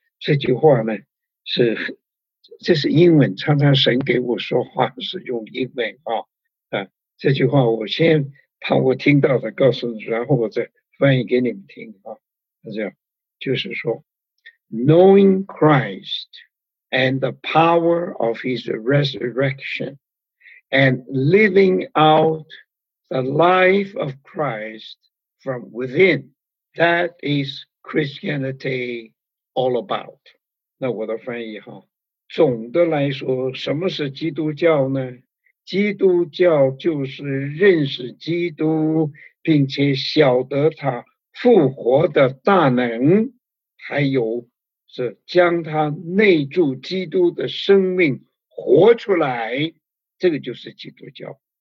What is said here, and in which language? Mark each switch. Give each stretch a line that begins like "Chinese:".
Chinese: 这句话呢，这是英文，常常神给我说话是用英文啊，这句话我先把我听到的告诉你，然后我再翻译给你们听啊。那这样就是说
English: ，Knowing Christ and the power of His resurrection, and living out the life of Christ from within, that is Christianity all about.
Chinese: 那我的翻译哈，总的来说，什么是基督教呢？基督教就是认识基督，并且晓得他复活的大能，还有是将他内住基督的生命活出来，这个就是基督教。